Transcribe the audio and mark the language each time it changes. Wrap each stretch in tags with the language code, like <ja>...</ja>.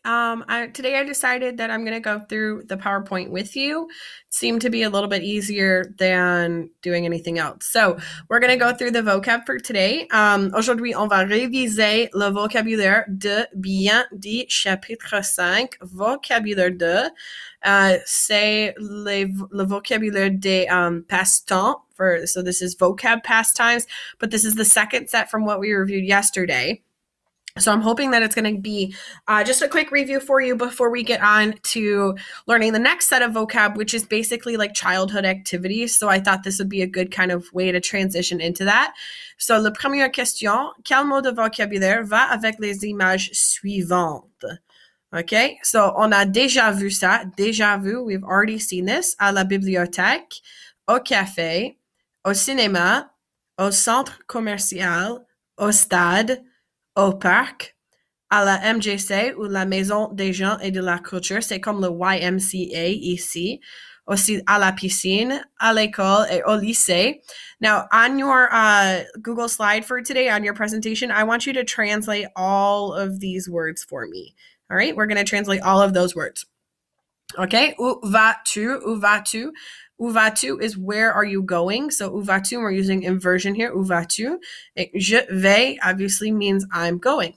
<en>Today I decided that I'm going to go through the PowerPoint with you. Seemed to be a little bit easier than doing anything else. So we're going to go through the vocab for today.</en> <fr>Aujourd'hui, on va réviser le vocabulaire de bien dit chapitre 5, vocabulaire de. C'est le vocabulaire des passe-temps</fr> <en>for, so this is vocab pastimes, but this is the second set from what we reviewed yesterday. So I'm hoping that it's going to be just a quick review for you before we get on to learning the next set of vocab, which is basically like childhood activities. So I thought this would be a good kind of way to transition into that.</en> <fr>So la première question, quel mot de vocabulaire va avec les images suivantes? Okay, so on a déjà vu ça, déjà vu,</fr> <en>we've already seen this,</en> <fr>à la bibliothèque, au café, au cinéma, au centre commercial, au stade, au parc, à la MJC ou la Maison des gens et de la culture, c'est comme le YMCA ici, aussi à la piscine, à l'école et au lycée.</fr> <en>Now, on your Google slide for today, on your presentation, I want you to translate all of these words for me. All right, we're going to translate all of those words.</en> <fr>Okay, où vas-tu? Où vas-tu? Où vas-tu</fr> <en>is where are you going? So</en> <fr>où vas-tu,</fr> <en>we're using inversion here.</en> <fr>Où vas-tu? Je vais</fr> <en>obviously means I'm going.</en>